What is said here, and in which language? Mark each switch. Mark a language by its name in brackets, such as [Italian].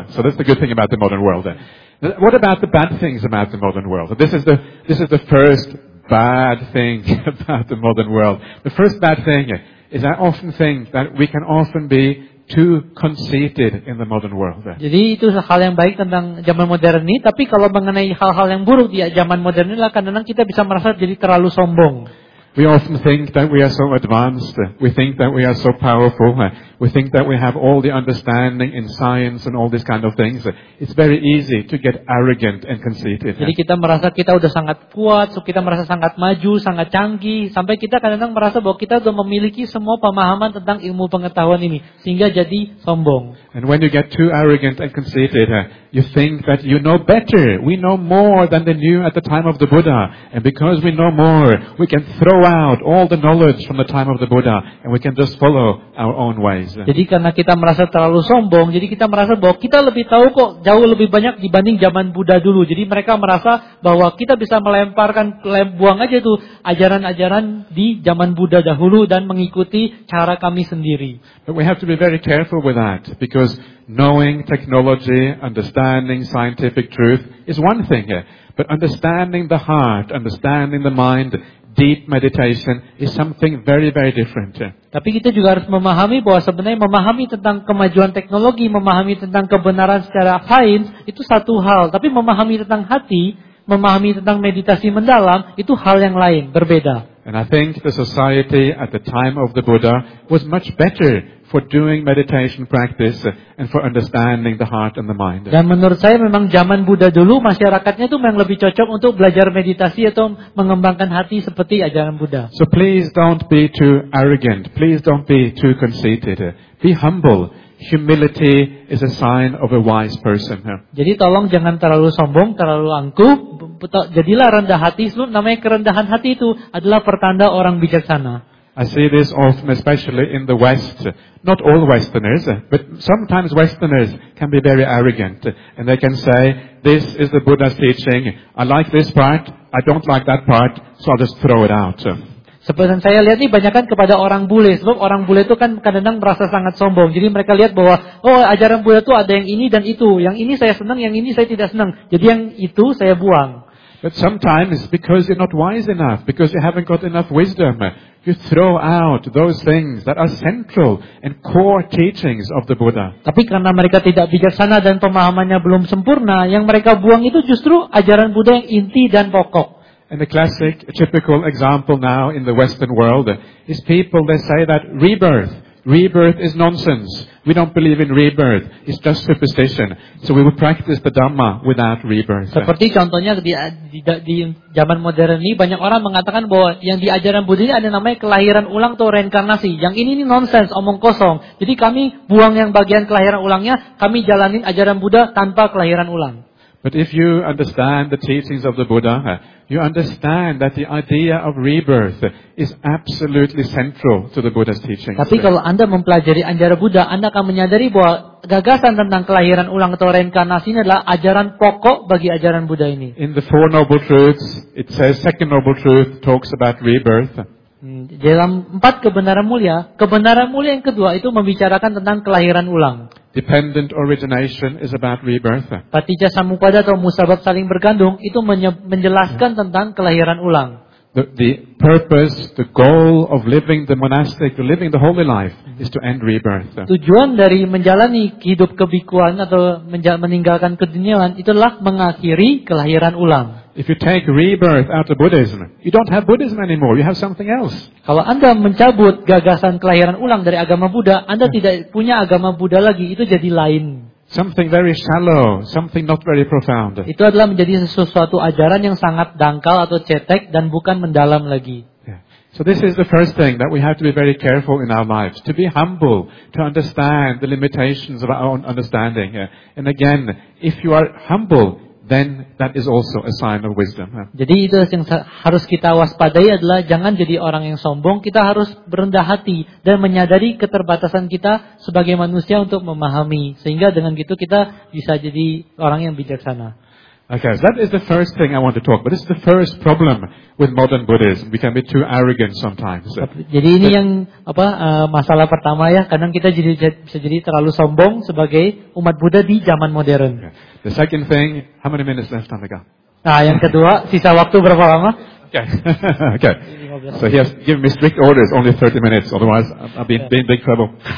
[English] So that's the good thing about the modern world. What about the bad things about the modern world? This is the first bad thing about the modern world. The first bad thing is I often think that we can often be too conceited in the modern world. [Indonesian] Jadi itu hal yang baik tentang zaman modern ini. Tapi kalau mengenai hal-hal yang buruk di zaman modern ini, kadang-kadang kita bisa merasa jadi terlalu sombong. [English] We often think that we are so advanced. We think that we are so powerful. We think that we have all the understanding in science and all these kind of things. It's very easy to get arrogant and conceited. [Indonesian] Jadi kita merasa kita sudah sangat kuat, so kita merasa sangat maju, sangat canggih, sampai kita kadang-kadang merasa bahwa kita sudah memiliki semua pemahaman tentang ilmu pengetahuan ini, sehingga jadi sombong. [English] And when you get too arrogant and conceited, you think that you know better. We know more than they knew at the time of the Buddha, and because we know more, we can throw out all the knowledge from the time of the Buddha, and we can just follow our own way. [Indonesian] Jadi karena kita merasa terlalu sombong, jadi kita merasa bahwa kita lebih tahu kok jauh lebih banyak dibanding zaman Buddha dulu. Jadi mereka merasa bahwa kita bisa melemparkan, buang aja tuh ajaran-ajaran di zaman Buddha dahulu dan mengikuti cara kami sendiri. [English] But we have to be very careful with that, because knowing technology, understanding scientific truth is one thing, but understanding the heart, understanding the mind, deep meditation is something very, very different. [Indonesian] Tapi kita juga harus memahami bahwa sebenarnya memahami tentang kemajuan teknologi, memahami tentang kebenaran secara sains, itu satu hal. Tapi memahami tentang hati, memahami tentang meditasi mendalam, itu hal yang lain, berbeda. [English] And I think the society at the time of the Buddha was much better for doing meditation practice and for understanding the heart and the mind. [Indonesian] Dan menurut saya memang zaman Buddha dulu masyarakatnya itu memang lebih cocok untuk belajar meditasi atau mengembangkan hati seperti ajaran Buddha. [English] So please don't be too arrogant. Please don't be too conceited. Be humble. Humility is a sign of a wise person. [Indonesian] Jadi tolong jangan terlalu sombong, terlalu angkuh. Jadilah rendah hati. Namanya kerendahan hati itu adalah pertanda orang bijaksana. [English] I see this often, especially in the West. Not all Westerners, but sometimes Westerners can be very arrogant, and they can say, "This is the Buddha's teaching. I like this part. I don't like that part. So I'll just throw it out." [Indonesian] Sebenarnya saya lihat ini banyakkan kepada orang bule. Sebab orang bule itu kan kadang-kadang merasa sangat sombong. Jadi mereka lihat bahwa, oh, ajaran bule itu ada yang ini dan itu. Yang ini saya senang, yang ini saya tidak senang. Jadi yang itu saya buang. [English] But sometimes because you're not wise enough, because you haven't got enough wisdom, you throw out those things that are central and core teachings of the Buddha. [Indonesian] Tapi karena mereka tidak bijaksana dan pemahamannya belum sempurna, yang mereka buang itu justru ajaran Buddha yang inti dan pokok. [English] And a classic, a typical example now in the Western world is people, they say that rebirth is nonsense. We don't believe in rebirth. It's just superstition. So we will practice the Dhamma without rebirth. [Indonesian] Seperti contohnya di zaman modern ini, banyak orang mengatakan bahwa yang diajaran Buddha ini ada namanya kelahiran ulang atau reinkarnasi. Yang ini nonsense, omong kosong. Jadi kami buang yang bagian kelahiran ulangnya, kami jalanin ajaran Buddha tanpa kelahiran ulang. [English] But if you understand the teachings of the Buddha, you understand that the idea of rebirth is absolutely central to the Buddha's teachings. [Indonesian] Tapi kalau Anda mempelajari ajaran Buddha, Anda akan menyadari bahwa gagasan tentang kelahiran ulang atau reinkarnasi ini adalah ajaran pokok bagi ajaran Buddha ini. [English] In the Four Noble Truths, it says Second Noble Truth talks about rebirth. [Indonesian] Dalam empat kebenaran mulia yang kedua itu membicarakan tentang kelahiran ulang. [English] Dependent origination is about rebirth. [Indonesian] Patijja samuppada atau musabab saling bergantung itu menjelaskan tentang kelahiran ulang. [English] The purpose, the goal of living the monastic, of living the holy life, is to end rebirth. [Indonesian] Tujuan dari menjalani hidup kebikuan atau meninggalkan keduniaan itulah mengakhiri kelahiran ulang. [English] If you take rebirth out of Buddhism, you don't have Buddhism anymore. You have something else. [Indonesian] Kalau Anda mencabut gagasan kelahiran ulang dari agama Buddha, Anda tidak punya agama Buddha lagi. Itu jadi lain. [English] Something very shallow, something not very profound. [Indonesian] Itu adalah menjadi sesuatu ajaran yang sangat dangkal atau cetek dan bukan mendalam lagi. [English] So this is the first thing that we have to be very careful in our lives, to be humble, to understand the limitations of our own understanding. And again, if you are humble, then that is also a sign of wisdom. [Indonesian] Jadi itu yang harus kita waspadai adalah jangan jadi orang yang sombong. Kita harus berendah hati dan menyadari keterbatasan kita sebagai manusia untuk memahami. Sehingga dengan gitu kita bisa jadi orang yang bijaksana. [English] Okay, so that is the first thing I want to talk about. This is the first problem with modern Buddhism. We can be too arrogant sometimes. [Indonesian] Jadi ini yang masalah pertama ya. Kadang kita bisa jadi terlalu sombong sebagai umat Buddha di zaman modern. Okay. [English] The second thing, how many minutes left, Amiga? [Indonesian] Nah, yang kedua, sisa waktu berapa lama? [English] Okay, okay. So he has given me strict orders, only 30 minutes, otherwise I'll be in big trouble.